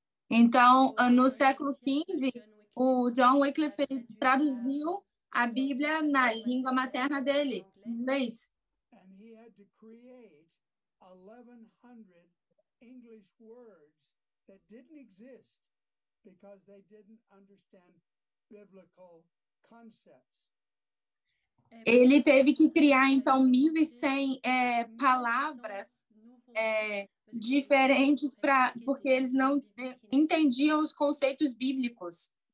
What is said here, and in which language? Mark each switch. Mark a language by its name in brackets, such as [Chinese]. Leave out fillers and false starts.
[Portuguese] Então, no século XV, o John Wycliffe traduziu a Bíblia na língua materna dele, inglês. [English] And he had to create 1100 English words that didn't exist because they didn't understand biblical concepts. [Portuguese] Ele teve que criar, então, 1100 palavras diferentes, porque eles não entendiam os conceitos bíblicos.